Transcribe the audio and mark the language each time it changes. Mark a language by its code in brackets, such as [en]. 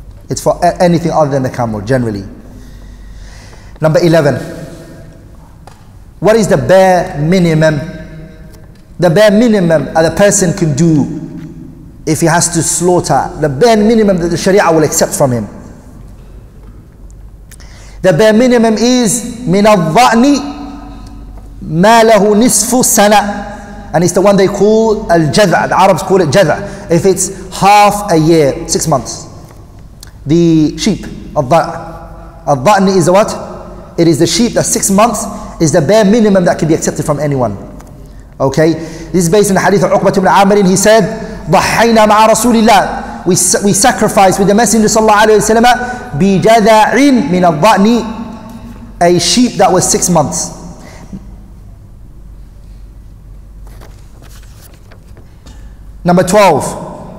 [en] It's for anything other than the camel, generally. Number 11. What is the bare minimum? The bare minimum that a person can do if he has to slaughter. The bare minimum that the Sharia will accept from him. The bare minimum is [ar] من الضأن ما له نصف سنة. [en] And it's the one they call الجذع. The Arabs call it جذع. If it's half a year, 6 months. The sheep, الضأن is what? It is the sheep that 6 months is the bare minimum that can be accepted from anyone. Okay? This is based on the hadith of Uqbah ibn Amr. He said, [ar] ضحينا مع رسول الله. [en] We sacrifice with the Messenger [ar] صلى الله عليه وسلم بجذع من الضأن, [en] a sheep that was 6 months. Number 12.